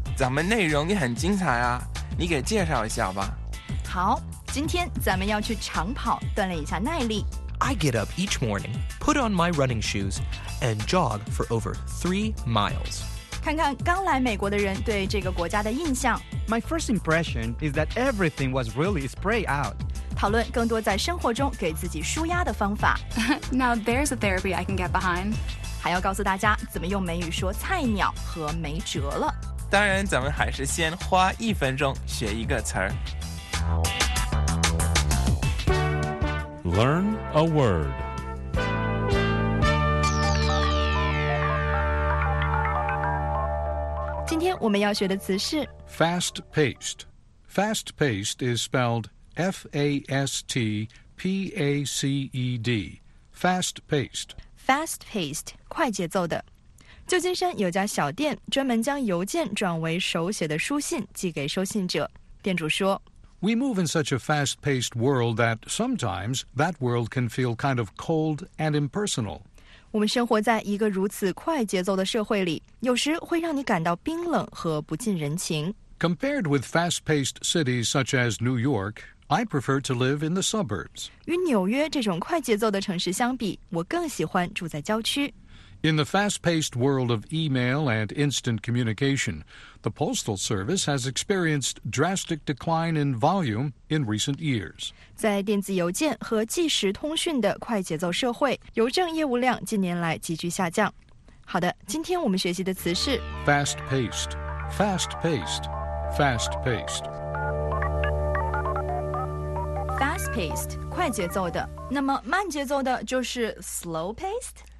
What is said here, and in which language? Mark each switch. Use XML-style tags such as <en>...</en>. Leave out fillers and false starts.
<zh>咱们内容也很精彩啊，你给介绍一下吧。好，今天咱们要去长跑，锻炼一下耐力。</zh> <en>I get up each morning, put on my running shoes, and jog for over 3 miles.</en> <zh>看看刚来美国的人对这个国家的印象。</zh> <en>My first impression is that everything was really sprayed out.</en> <zh>讨论更多在生活中给自己舒压的方法。</zh> <en>Now there's a therapy I can get behind.</en> <zh>还要告诉大家怎么用美语说菜鸟和没辙了。当然，咱们还是先花一分钟学一个词儿。</zh> <en>Learn a word. Today we're going to learn the word fast-paced. Fast-paced is spelled F-A-S-T-P-A-C-E-D. Fast-paced.</en> <zh>Fast-paced, 快节奏的。旧金山有家小店专门将邮件转为手写的书信寄给收信者。店主说，</zh> <en>We move in such a fast-paced world that sometimes that world can feel kind of cold and impersonal.</en> <zh>我们生活在一个如此快节奏的社会里，有时会让你感到冰冷和不近人情。</zh> <en>Compared with fast-paced cities such as New York, I prefer to live in the suburbs.</en> <zh>与纽约这种快节奏的城市相比，我更喜欢住在郊区。</zh> <en>In the fast-paced world of email and instant communication, the postal service has experienced drastic decline in volume in recent years.</en> <zh>在电子邮件和即时通讯的快节奏社会，邮政业务量近年来急剧下降。好的，今天我们学习的词是</zh> <en>fast-paced, fast-paced, fast-paced.</en> <zh>Fast-paced, 快节奏的。那么慢节奏的就是 slow-paced?</zh>